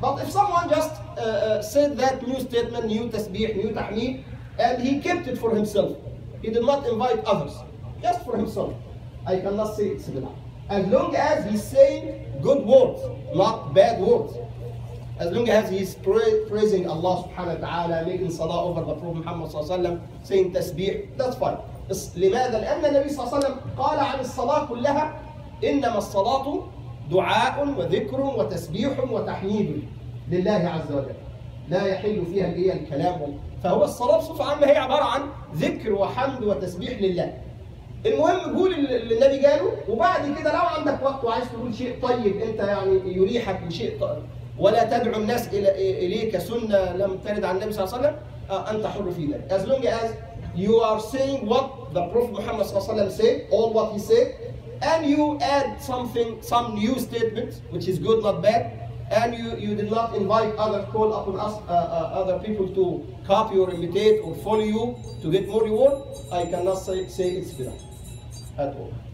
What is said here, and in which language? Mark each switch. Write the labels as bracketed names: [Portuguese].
[English] But if someone just said that new statement, new tasbih, new tahmid, and he kept it for himself, he did not invite others, just for himself, I cannot say it's bid'ah. As long as he's saying good words, not bad words. As long as he's praising Allah subhanahu wa ta'ala, making salah over the Prophet Muhammad sallallahu alaihi wasallam, saying tasbih, that's fine. [Arabic] لماذا؟ لأن النبي صلى الله عليه وسلم قال عن الصلاة كلها إنما الصلاة دعاء وذكر وتسبيح وتحميد لله عز وجل، لا يحل فيها الكلام. فهو الصلاة بصفة عامة هي عبارة عن ذكر وحمد وتسبيح لله. المهم قول النبي قاله، وبعد كده لو عندك وقت وعايز تقول شيء طيب أنت يعني يريحك بشيء طيب، ولا تدعو الناس إليك سنة لم ترد عن النبي صلى الله عليه وسلم، أنت حر في ذلك. [English] As long as you are saying what the Prophet Muhammad said, all what he said, and you add something, some new statement, which is good, not bad, and you did not invite other, call upon us, other people to copy or imitate or follow you to get more reward, I cannot say it's bid'ah at all.